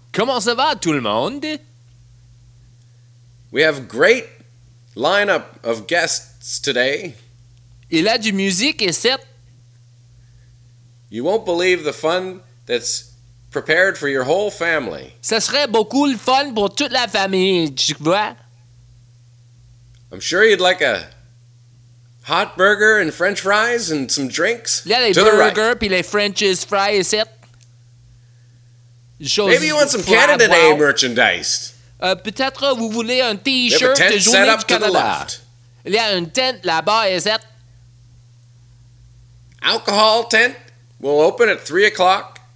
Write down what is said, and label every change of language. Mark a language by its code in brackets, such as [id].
[fr] Comment ça va, tout le monde? [en] We have great lineup of guests today. [fr] Il a du musique et c'est... [en] You won't believe the fun that's prepared for your whole family. [fr] Ça serait beaucoup le fun pour toute la famille, tu vois? [en] I'm sure you'd like a hot burger and french fries and some drinks. [fr] Il y a les burgers puis les french fries et c'est... [en] Maybe you want some Canada Day merchandise. [fr] Peut-être vous voulez un t-shirt de Journée du Canada. Il y a une tente là-bas, [en] is it? Alcohol tent will open at 3 o'clock.